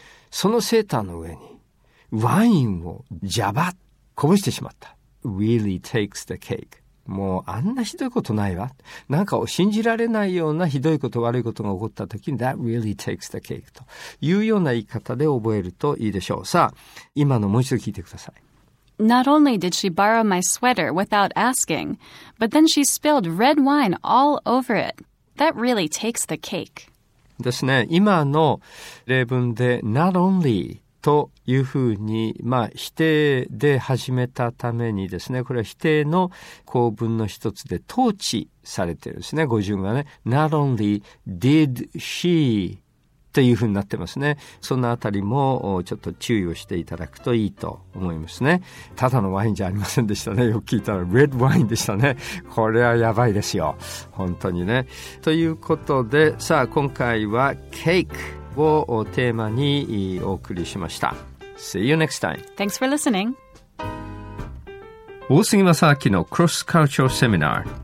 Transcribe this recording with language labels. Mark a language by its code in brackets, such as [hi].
[ja] そのセーターの上にワインをジャバッこぼしてしまった。 [en] Really takes the cake。 [ja] もうあんなひどいことないわ。なんか信じられないようなひどいこと悪いことが起こった時に [en] That really takes the cake [ja] というような言い方で覚えるといいでしょう。さあ今のもう一度聞いてください。 [en] Not only did she borrow my sweater without asking, but then she spilled red wine all over it. That really takes the cake. [ja] ですね。今の例文で [en] not only [ja] というふうに、まあ、否定で始めたためにですね、これは否定の構文の一つで統治されてるんですね、語順がね。 [en] Not only did she... [ja] というふうになってますね。そのあたりもちょっと注意をしていただくといいと思いますね。ただのワインじゃありませんでしたね。よく聞いたら [en] red wine [ja] でしたね。これはやばいですよ本当にね。ということでさあ今回は cake をテーマにお送りしました。 [en] See you next time. Thanks for listening. [ja] 大杉正明の Cross Cultural Seminar